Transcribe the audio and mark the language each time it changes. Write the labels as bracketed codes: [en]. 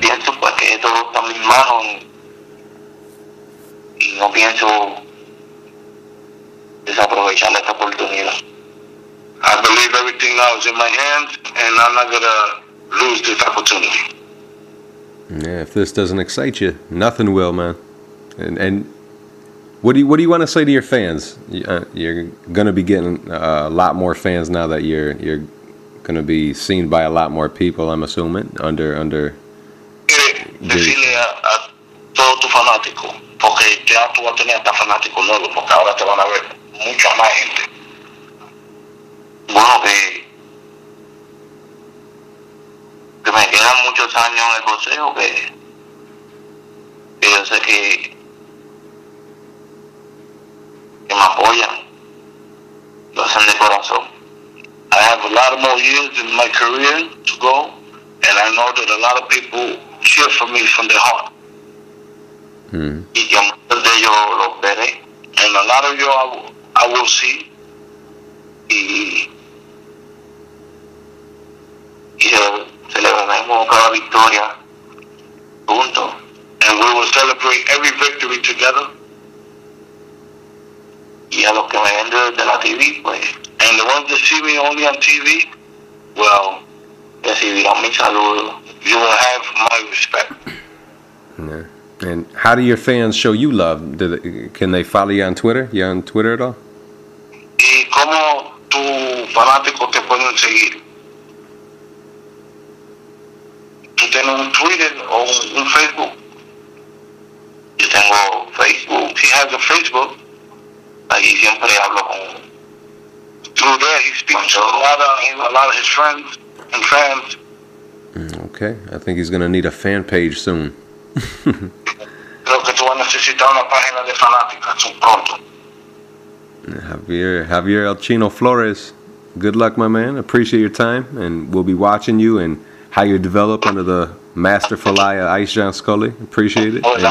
[es] Pienso pues que esto está en mis manos, y no pienso desaprovechar esta oportunidad. [en] I believe everything now is in my hands, and I'm not gonna lose this opportunity. Yeah, if this doesn't excite you, nothing will, man. And What do you want to say to your fans? You're going to be getting a lot more fans now that you're going to be seen by a lot more people, I'm assuming, under [es] decirle a todo tu fanático, porque ya tú vas a tener hasta fanático nuevo, porque ahora te van a ver mucha más gente. Bueno, que me quedan muchos años en el boxeo, que yo sé que me apoyan, lo hacen de corazón. [en] I have a lot more years in my career to go, and I know that a lot of people cheer for me from their heart. [es] Y que muchos de ellos los veré, [en] and a lot of you I will see, [es] y celebraremos cada victoria juntos, [en] and we will celebrate every victory together. [es] Y a los que me ven desde la TV, pues, [en] and the ones that see me only on TV, well, [es] recibirán mi saludo. [en] You will have my respect. Yeah. And how do your fans show you love? Can they follow you on Twitter? You on Twitter at all? [es] ¿Y cómo tu fanático te pueden seguir? ¿Tú tienes un Twitter o un Facebook? Yo tengo Facebook. [en] He has a Facebook. [es] Ahí siempre hablo [en] through there, he speaks to a lot of his friends and fans. Okay, I think he's going to need a fan page soon. [es] creo que tú vas a necesitar una página de fanáticas pronto. [en] Javier El Chino Flores, good luck, my man. Appreciate your time, and we'll be watching you and how you develop under the masterful eye of Ice John Scully. Appreciate it.